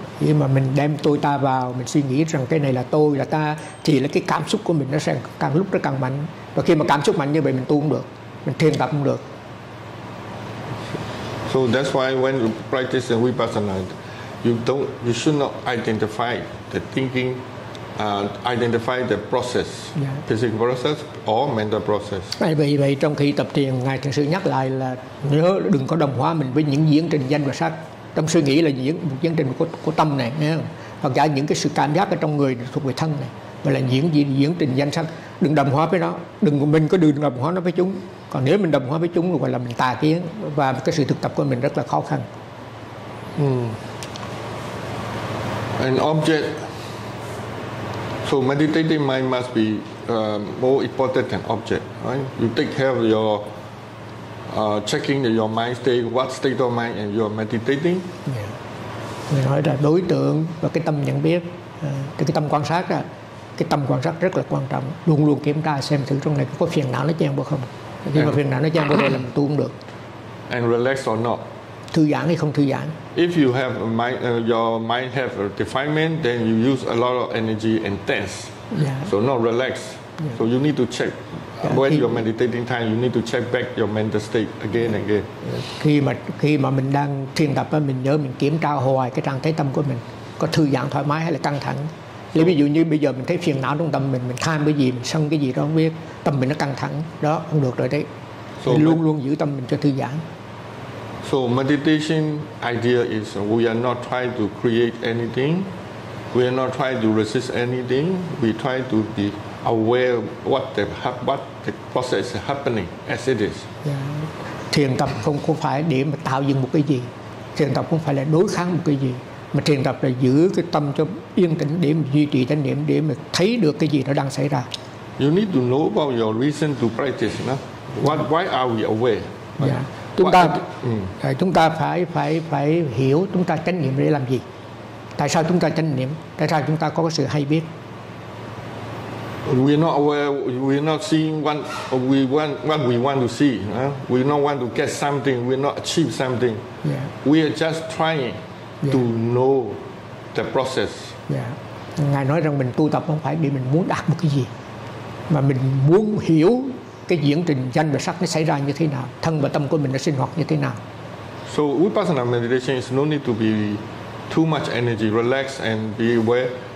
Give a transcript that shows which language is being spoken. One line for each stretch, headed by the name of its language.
Vietnamese: Khi mà mình đem tôi ta vào, mình suy nghĩ rằng cái này là tôi là ta, thì là cái cảm xúc của mình nó sẽ càng lúc nó càng mạnh. Và khi mà cảm xúc mạnh như vậy, mình tu không được, mình thiền tập không được.
English: So that's why when you practice the vipassana, you should not identify the thinking, identify the process, yeah. physical process or mental process.
Vietnamese: Vậy trong khi tập thiền, ngài thiền sư nhắc lại là nhớ đừng có đồng hóa mình với những diễn trình danh và sắc. Tâm suy nghĩ là diễn một diễn trình của tâm này, nghe không? Hoặc giả những cái sự cảm giác ở trong người thuộc về thân này, và là diễn trình danh sắc. Đừng đồng hóa với nó, đừng mình có đừng đồng hóa nó với chúng. Còn nếu mình đồng hóa với chúng gọi là mình tà kiến, và cái sự thực tập của mình rất là khó khăn.
English: An object. So meditating mind must be more important than object, right? You take care of your checking your mind state, what state of mind and you're meditating. Yeah.
Vietnamese: Mình nói là đối tượng và cái tâm nhận biết, cái tâm quan sát đó, cái tâm quan sát rất là quan trọng. Luôn luôn kiểm tra xem thử trong này có phiền não nó chen vô không. Khi mà phiền não nó chen vô rồi là mình tu không được.
English: And relax or not.
Vietnamese: Thư giãn hay không thư giãn.
English: If you have a mind, your mind have a defilement, then you use a lot of energy and tense. Yeah. So not relax. Yeah. So you need to check. Yeah. When you're meditating time, you need to check back your mental state again and again.
Vietnamese: Khi mà mình đang thiền tập, mình nhớ mình kiểm tra hoài cái trạng thái tâm của mình. Có thư giãn thoải mái hay là căng thẳng. Lấy ví dụ như bây giờ mình thấy phiền não trong tâm mình tham cái gì, mình sân cái gì đó không biết. Tâm mình nó căng thẳng. Đó, không được rồi đấy. So luôn luôn giữ tâm mình cho thư giãn.
English: So meditation idea is we are not trying to create anything. We are not trying to resist anything. We try to be aware what the process is happening as it is. Yeah.
Vietnamese: Thiền tập không phải để mà tạo dựng một cái gì. Thiền tập không phải là đối kháng một cái gì. Mà thiền tập là giữ cái tâm cho yên tĩnh để mà duy trì chánh niệm để mà thấy được cái gì nó đang xảy ra.
English: You need to know about your reason to practice. No? Why are we aware? Yeah.
Vietnamese: Chúng ta phải hiểu chúng ta chánh niệm để làm gì. Tại sao chúng ta chánh niệm? Tại sao chúng ta có sự hay biết?
English: We're not aware, we're not seeing what we want to see. Huh? We not want to get something, we not achieve something. Yeah. We are just trying to know the process. Yeah.
Vietnamese: Ngài nói rằng mình tu tập không phải vì mình muốn đạt một cái gì, mà mình muốn hiểu cái diễn trình danh và sắc nó xảy ra như thế nào, thân và tâm của mình nó sinh hoạt như thế nào.
English: So vipassana meditation is no need to be too much energy, relax and be aware.